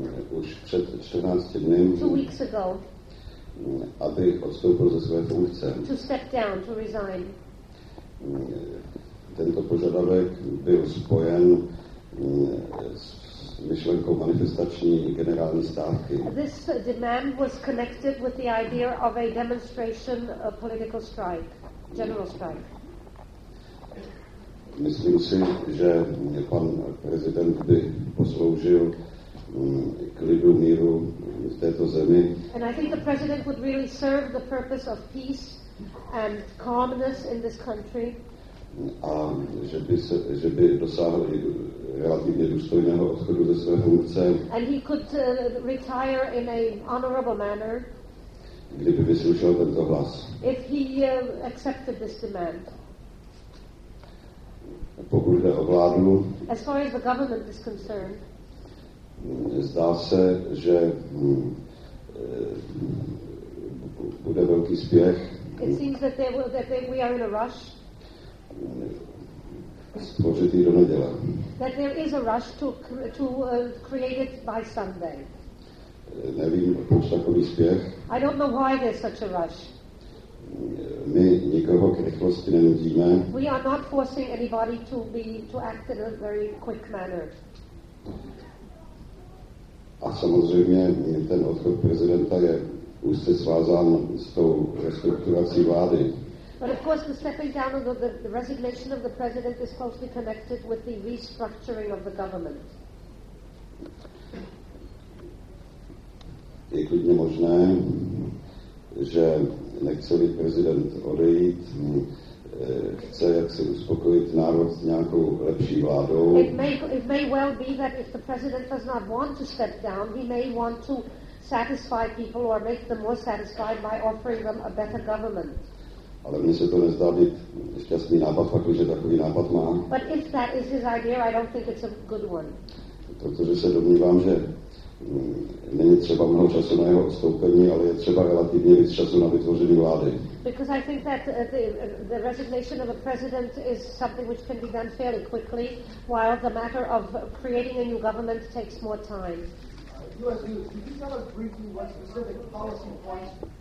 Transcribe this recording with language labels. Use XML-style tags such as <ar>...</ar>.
<cs>už před 14 dny,</cs> <en>two weeks ago,</en> <cs>aby odstoupil ze své funkce.</cs> <en>To step down, to resign.</en> <cs>Tento požadavek byl spojen s myšlenkou manifestační generální stávky.</cs> <en>This demand was connected with the idea of a demonstration, a political strike, general strike.</en> <cs>Myslím si, že pan prezident by posloužil klidu, míru v této zemi.</cs> <en>And I think the president would really serve the purpose of peace and calmness in this country.</en> <cs>A že by dosáhl i relativně důstojného odchodu ze své funkce.</cs> <en>And he could retire in a honorable manner.</en> <cs>Kdyby vyslyšel tento hlas.</cs> <en>If he accepted this demand.</en> <cs>Pokud jde o vládu.</cs> <en>As far as the government is concerned.</en> <cs>Zdá se, že bude velký spěch.</cs> <en>It seems that we are in a rush.</en> <cs>Spořitý do neděle.</cs> <en>That there is a rush to create it by Sunday.</en> <cs>Nevím, proč takový spěch.</cs> <en>I don't know why there's such a rush.</en> <cs>My nikoho k rychlosti nenudíme.</cs> <en>We are not forcing anybody to act in a very quick manner.</en> <cs>A samozřejmě ten odchod prezidenta je úzce svázán s tou restrukturací vlády.</cs> <en>But of course the stepping down of the resignation of the president is closely connected with the restructuring of the government.</en> <cs>Je klidně možné, že nechce-li prezident odejít, chce jaksi uspokojit národ nějakou lepší vládou.</cs> <en>It may well be that if the president does not want to step down, he may want to satisfy people or make them more satisfied by offering them a better government.</en> <cs>Ale mně se to nezdá být šťastný nápad, pakliže takový nápad má.</cs> <en>But if that is his idea, I don't think it's a good one.</en> <cs>Protože se domnívám, že není třeba mnoho času na jeho odstoupení, ale je třeba relativně víc času na vytvoření vlády.</cs> <en>Because I think that the resignation of a president is something which can be done fairly quickly, while the matter of creating a new government takes more time. USU, could you tell us briefly what specific policy points...</en>